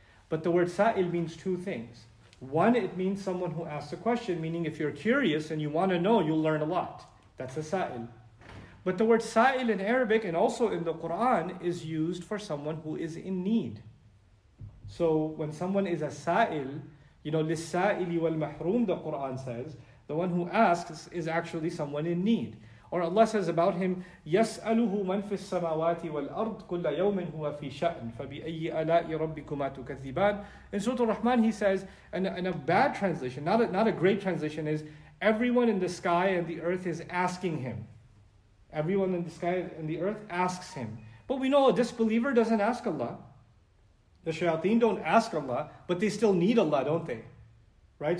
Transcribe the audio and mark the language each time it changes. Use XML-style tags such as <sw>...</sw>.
<en>But the word sa'il means two things. One, it means someone who asks a question, meaning if you're curious and you want to know, you'll learn a lot. That's a sa'il. But the word sa'il in Arabic and also in the Quran is used for someone who is in need. So when someone is a sa'il, you know,</en> <ar>لِلسَّائِلِ وَالْمَحْرُومِ,</ar> <en>the Quran says, the one who asks is actually someone in need. Or Allah says about him,</en> <ar>يَسْأَلُهُ مَنْ فِي السَّمَاوَاتِ وَالْأَرْضِ كُلَّ يَوْمٍ هُوَ فِي شَأْنٍ فَبِأَيِّ أَلَاءِ رَبِّكُمَا تُكَذِّبَانِ.</ar> <en>In Surah Al-Rahman he says, and a bad translation, not a great translation, is everyone in the sky and the earth is asking him. Everyone in the sky and the earth asks him. But we know a disbeliever doesn't ask Allah. The shayateen don't ask Allah, but they still need Allah, don't they? Right?</en>